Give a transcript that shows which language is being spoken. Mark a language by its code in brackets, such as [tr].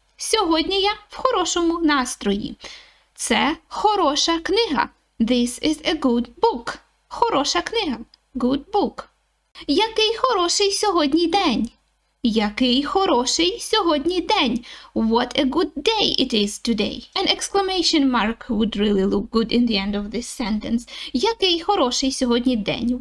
[uk] Сьогодні я в хорошому настрої. Це хороша книга. [en] This is a good book. [uk] Хороша книга. [en] Good book. [uk] Який хороший сьогодні день? Який хороший сьогодні день. [en] What a good day it is today. An exclamation mark would really look good in the end of this sentence. [uk] Який хороший сьогодні день.